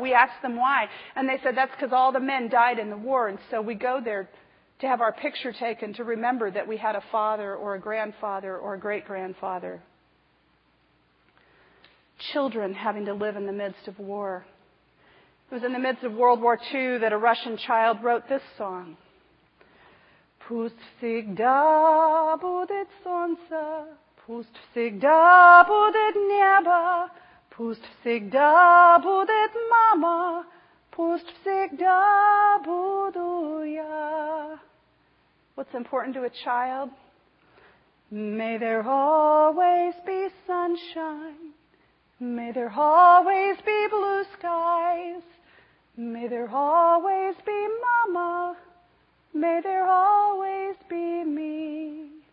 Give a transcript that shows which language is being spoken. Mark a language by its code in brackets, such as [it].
[en] We asked them why, and they said that's because all the men died in the war, and so we go there to have our picture taken to remember that we had a father or a grandfather or a great-grandfather. Children having to live in the midst of war. It was in the midst of World War II that a Russian child wrote this song. [ru] Пусть всегда будет солнце, пусть всегда будет небо, пусть всегда будет мама, пусть всегда буду я. [en] What's important to a child? May there always be sunshine. May there always be blue skies. May there always be mama. May there always be me.